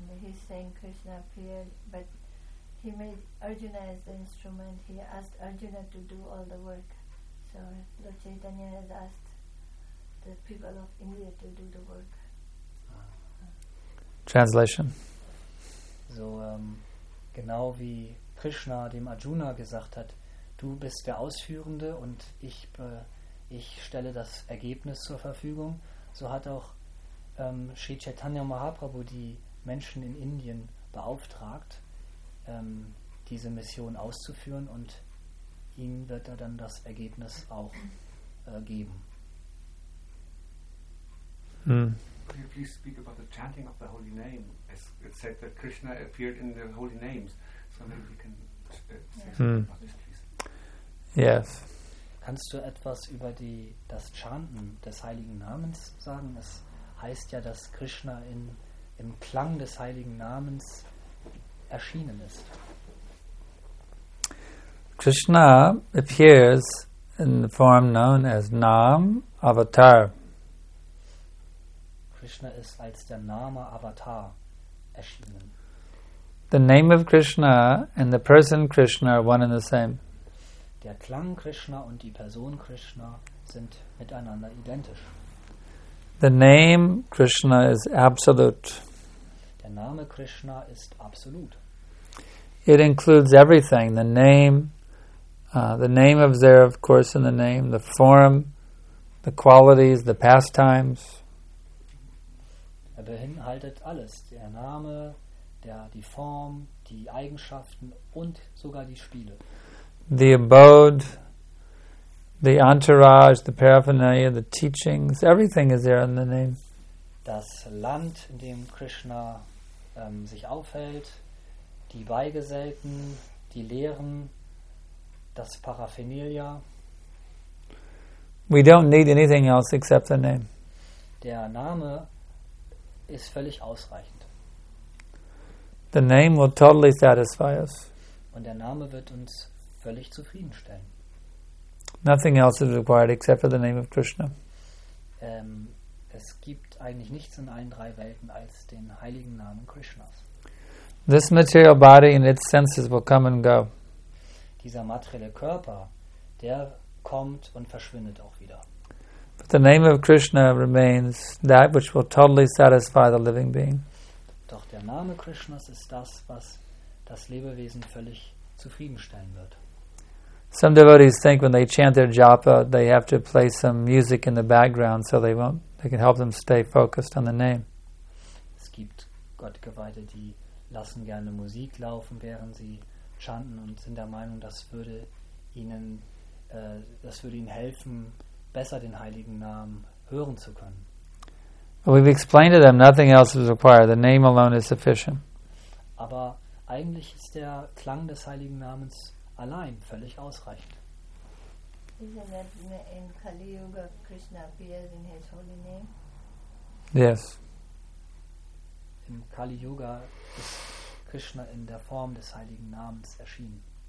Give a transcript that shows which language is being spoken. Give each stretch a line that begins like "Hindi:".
English: He's saying Krishna appeared, but he made Arjuna as the instrument. He asked Arjuna to do all the work. So Lord Chaitanya has asked the people of India to do the work. Translation.
German: So, genau wie Krishna dem Arjuna gesagt hat, du bist der Ausführende und ich stelle das Ergebnis zur Verfügung, so hat auch Sri Chaitanya Mahaprabhu die Menschen in Indien beauftragt, diese Mission auszuführen und ihnen wird er dann das Ergebnis auch geben.
English: Can you please speak about the chanting of the holy name? As it said that Krishna appeared in the holy names. So maybe we can say yes. Something about this, please. Yes.
German: Kannst du etwas über das Chanten des heiligen Namens sagen? Es heißt ja, dass Krishna im Klang des heiligen Namens erschienen ist.
English: Krishna appears in the form known as Nam Avatar.
German: Krishna ist als der Name Avatar erschienen.
English: The name of Krishna and the person Krishna are one and the same.
German: Der Klang Krishna und die Person Krishna sind miteinander identisch.
English: The name Krishna is absolute.
German: Der Name Krishna ist absolut.
English: It includes everything, the name of there, of course, in the name, the form, the qualities, the pastimes.
German: Er beinhaltet alles, der Name, die Form, die Eigenschaften und sogar die Spiele.
English: The abode, the entourage, the paraphernalia, the teachings, everything is there in the name.
German: Das Land, in dem Krishna sich aufhält, die Beigesellten, die Lehren, das Paraphernalia.
English: We don't need anything else except the name.
German: Der Name ist völlig ausreichend.
English: The name will totally satisfy us.
German: Und der Name wird uns völlig zufriedenstellen.
English: Nothing else is required except for the name of Krishna.
German: Es gibt eigentlich nichts in allen drei Welten als den heiligen Namen Krishnas.
English: This material body and its senses will come and go.
German: Dieser materielle Körper, der kommt und verschwindet auch wieder.
English: But the name of Krishna remains that which will totally satisfy the living being.
German: Doch der Name Krishnas ist das, was das Lebewesen völlig zufriedenstellen wird.
English: Some devotees think when they chant their japa, they have to play some music in the background so they can help them stay focused on the name.
German: Es gibt Gottgeweihte, die lassen gerne Musik laufen, während sie chanten und sind der Meinung, das würde ihnen helfen, besser den heiligen Namen hören zu können.
English: But we've explained to them, nothing else is required. The name alone is sufficient.
German: Aber eigentlich ist der Klang des heiligen Namens allein völlig ausreicht.
English: Isn't that in Kali Yuga Krishna appears in his holy name? Yes.
German: Im Kali Yuga ist Krishna in der Form des heiligen Namens erschienen.